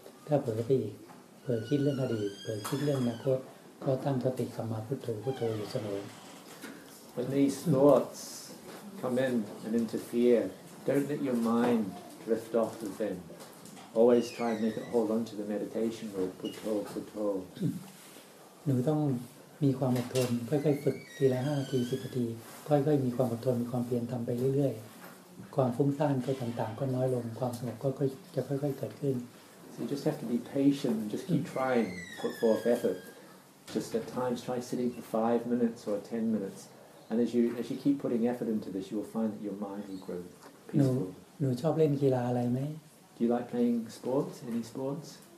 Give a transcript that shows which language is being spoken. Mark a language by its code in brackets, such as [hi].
[en] If I forget again, forget about the past, forget about the future, then set the mindfulness back and Buddha, Buddha. When these thoughts. Come in and interfere. Don't let your mind drift off of them. Always try and make it hold on to the meditation word, putto, putto. [th] หนูต้องมีความอดทนค่อยๆฝึกทีละ5นาที10นาทีค่อยๆมีความอดทนมีความเพียรทำไปเรื่อยๆความฟุ้งซ่านก็ต่างๆก็น้อยลงความสงบก็จะค่อยๆเกิดขึ้น [en] So you just have to be patient and just keep trying, put forth effort. Just at times try sitting for 5 minutes or 10 minutes. And as you keep putting effort into this, you will find that your mind will grow peaceful. No, no. [th] ชอบเล่นกีฬาอะไรไหม [en] Do you like playing sports? Any sports?